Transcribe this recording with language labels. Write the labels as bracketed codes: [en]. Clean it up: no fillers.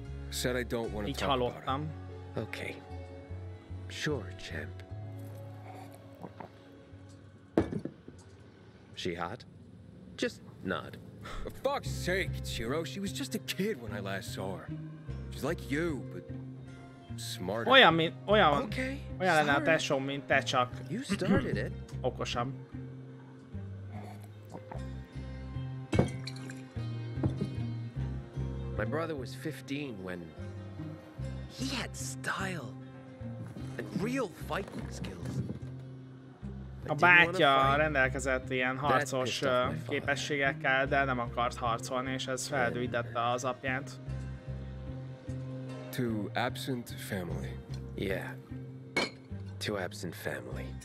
[en] Said I don't want to talk about it. Okay. Sure, champ. She hot? Just nod. For fuck's sake, Chiro. She was just a kid when I last saw her. She's like you, but smarter. [hu] Olyan lenne a tesóm, mint te, csak [en] you started it. [hu] Okosam. [en] My brother was 15 when he had style and real fighting skills. [hu] A bátyja rendelkezett ilyen harcos képességekkel, de nem akart harcolni, és ez feldühítette az apját. [en] Too absent family. Yeah. Too absent family.